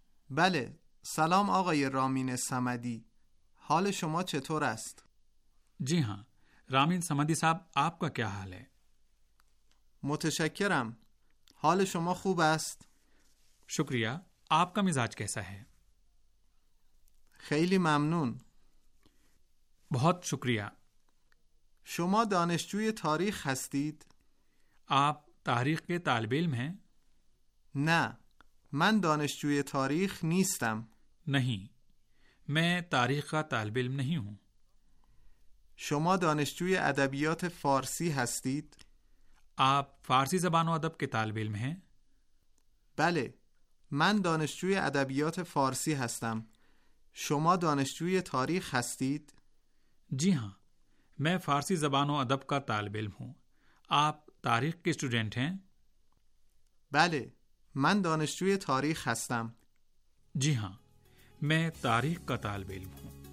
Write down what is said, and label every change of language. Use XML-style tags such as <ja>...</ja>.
<fa>بله، سلام آقای رامین صمدی، حال شما چطور است؟</fa> <ur>جی ہاں، رامین صمدی صاحب، آپ کا کیا حال ہے؟</ur> <fa>متشکرم، حال شما خوب است؟</fa> <ur>شکریہ، آپ کا مزاج کیسا ہے؟</ur> <fa>خیلی ممنون،</fa> <ur>بہت شکریہ۔</ur> <fa>شما دانشجوی تاریخ هستید؟</fa> <ur>آپ تاریخ کے طالب علم ہیں؟</ur> <fa>نه، من دانشجوی تاریخ نیستم۔</fa> <ur>نہیں، میں تاریخ کا طالب علم نہیں ہوں۔</ur> <fa>شما دانشجوی ادبیات فارسی هستید؟</fa> <ur>آپ فارسی زبان و ادب کے طالب علم ہیں؟</ur> <fa>بله، من دانشجوی ادبیات فارسی هستم. شما دانشجوی تاریخ هستید؟</fa> <ur>جی ہاں، میں فارسی زبان و ادب کا طالب علم ہوں. آپ تاریخ کے اسٹوڈنٹ ہیں؟</ur> <fa>بله، من دانشجوی تاریخ هستم.</fa> <ur>جی ہاں، میں تاریخ کا طالب علم ہوں.</ur>